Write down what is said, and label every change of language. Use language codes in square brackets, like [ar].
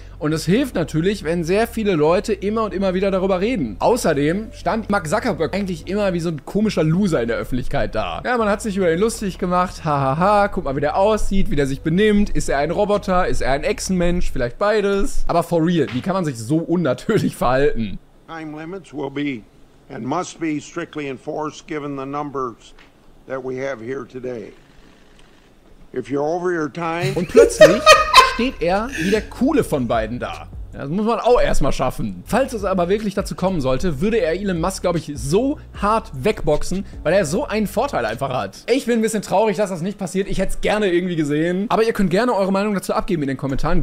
[de] Und es hilft natürlich, wenn sehr viele Leute immer und immer wieder darüber reden. Außerdem stand Mark Zuckerberg eigentlich immer wie so ein komischer Loser in der Öffentlichkeit da. Ja, man hat sich über ihn lustig gemacht. Hahaha, guck mal, wie der aussieht, wie der sich benimmt. Ist er ein Roboter? Ist er ein Echsenmensch? Vielleicht beides. Aber [en] for real, [de] wie kann man sich so unnatürlich verhalten? [en] Time limits will be and must be strictly enforced given the numbers that we have here today. If you're over your time. [de] Und plötzlich steht er wie der Coole von beiden da. Das muss man auch erstmal schaffen. Falls es aber wirklich dazu kommen sollte, würde er Elon Musk, glaube ich, so hart wegboxen, weil er so einen Vorteil einfach hat. Ich bin ein bisschen traurig, dass das nicht passiert. Ich hätte es gerne irgendwie gesehen. Aber ihr könnt gerne eure Meinung dazu abgeben in den Kommentaren.